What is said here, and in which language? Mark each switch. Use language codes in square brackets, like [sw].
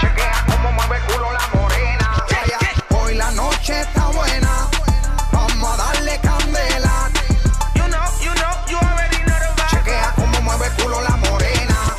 [es] Chequea como mueve culo la morena. Hoy la noche está buena, vamos a darle candela. [en] You know, you already know the vibe. [es] Chequea como mueve culo la morena.